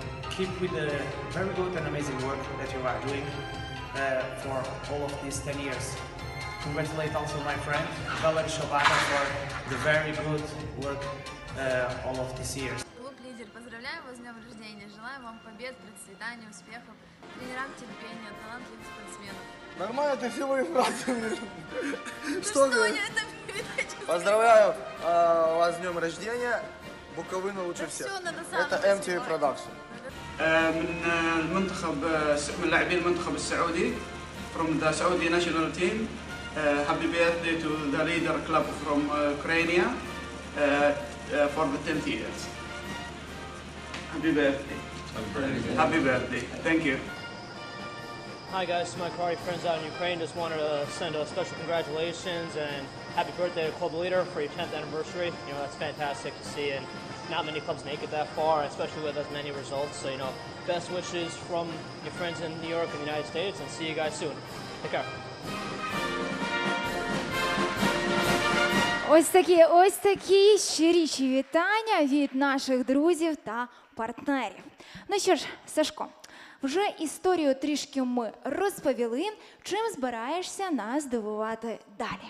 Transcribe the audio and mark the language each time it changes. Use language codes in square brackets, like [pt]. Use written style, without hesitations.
[en] Keep with the very good and amazing work that you are doing for all of these 10 years. Congratulate also my friend Valery Shobata for the very good work all of these years. [ru] Клуб лідер, поздравляю вас с днем рождения. Желаю вам побед, процветания, успехов. Тренерам терпения, талантливых спортсменов. Нормально, ты силовые фразы. Что это? Поздравляю вас с днем рождения, Буковина лучше всех. Это MTV Production. [ar] من المنتخب من لاعبين المنتخب السعودي [en] from the Saudi national team. Happy birthday to the leader club from Ukraine for the 10th years. Happy birthday. Happy birthday. Thank you. Hi guys, my karate friends out in Ukraine. Just wanted to send a special congratulations and happy birthday to Club Leader for your 10th anniversary. You know, that's fantastic to see, and not many clubs make it that far, especially with as many results. So, you know, best wishes from your friends in New York and the United States, and see you guys soon. Take care. [uk] Ось такі щиріші вітання від наших друзів та партнерів. Ну що ж, Сашко, вже історію трішки ми розповіли, чим збираєшся нас дивувати далі.